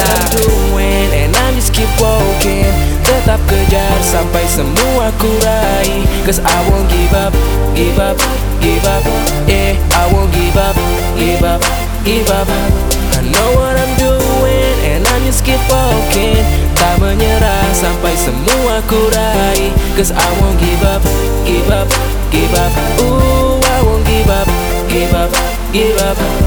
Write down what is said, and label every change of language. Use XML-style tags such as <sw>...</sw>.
<en>I know what I'm doing and I just keep walking.</en> <id>Tetap kejar sampai semua ku raih.</id> <en>Cause I won't give up, give up, give up. I won't give up, give up, give up. I know what I'm doing and I just keep walking.</en> <id>Tak menyerah sampai semua ku raih.</id> <en>Cause I won't give up, give up, give up. Ooh, I won't give up, give up, give up.</en>